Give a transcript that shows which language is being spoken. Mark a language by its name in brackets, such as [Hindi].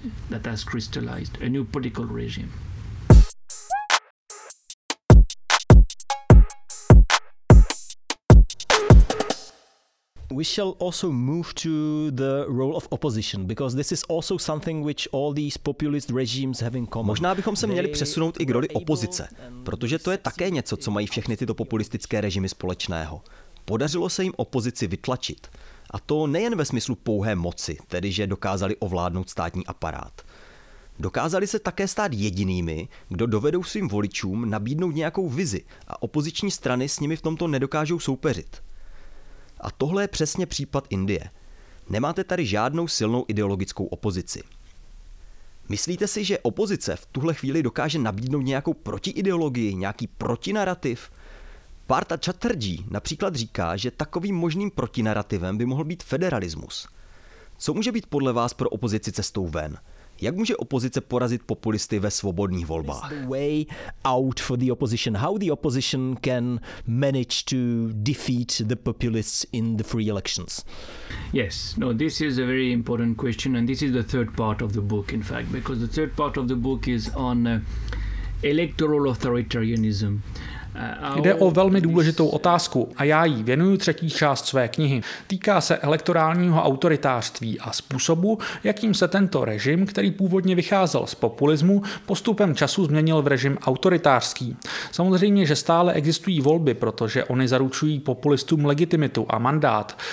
[English] that has crystallized a new political regime. We shall also move to the role of opposition, because this is also something which all these populist regimes have in common. [Czech] Možná bychom se měli přesunout i k roli opozice, protože to je také něco, co mají všechny tyto populistické režimy společného. Podařilo se jim opozici vytlačit. A to nejen ve smyslu pouhé moci, tedy že dokázali ovládnout státní aparát. Dokázali se také stát jedinými, kdo dovedou svým voličům nabídnout nějakou vizi a opoziční strany s nimi v tomto nedokážou soupeřit. A tohle je přesně případ Indie. Nemáte tady žádnou silnou ideologickou opozici. Myslíte si, že opozice v tuhle chvíli dokáže nabídnout nějakou protiideologii, nějaký protinarativ? Partha Chatterjee například říká, že takovým možným protinarativem by mohl být federalismus. Co může být podle vás pro opozici cestou ven? Jak může opozice porazit populisty ve svobodných volbách? [English] The way out for the opposition. How the opposition can manage to defeat the populists in the free elections? Yes, no, this is a very important question, and this is the third part of the book, in fact, because the third part of the book is on electoral authoritarianism. [Czech] Jde o velmi důležitou otázku a já jí věnuju třetí část své knihy. Týká se elektorálního autoritářství a způsobu, jakým se tento režim, který původně vycházel z populismu, postupem času změnil v režim autoritářský. Samozřejmě, že stále existují volby, protože oni zaručují populistům legitimitu a mandát.